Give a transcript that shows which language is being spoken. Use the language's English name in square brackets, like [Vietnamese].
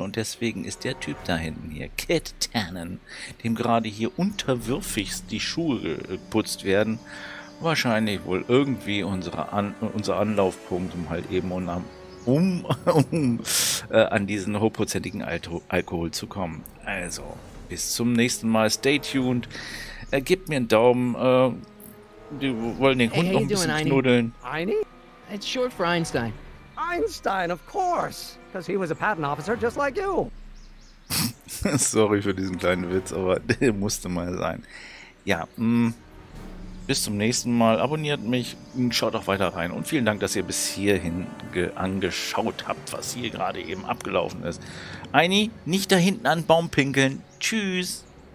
[German] Und deswegen ist der Typ da hinten hier, Kid Tannen, dem gerade hier unterwürfigst die Schuhe geputzt werden, wahrscheinlich wohl irgendwie unser Anlaufpunkt, um halt eben an diesen hochprozentigen Alkohol zu kommen. Also, bis zum nächsten Mal. [English] Stay tuned. [German] Gib mir einen Daumen. Wir wollen den Hund noch ein bisschen knuddeln. Einie? [English] It's short for Einstein. Einstein, of course. Because he was a patent officer just like you. [German] Sorry für diesen kleinen Witz, aber der musste mal sein. Ja, bis zum nächsten Mal. Abonniert mich und schaut auch weiter rein. Und vielen Dank, dass ihr bis hierhin angeschaut habt, was hier gerade eben abgelaufen ist. Einie, nicht da hinten an den Baum pinkeln. Tschüss.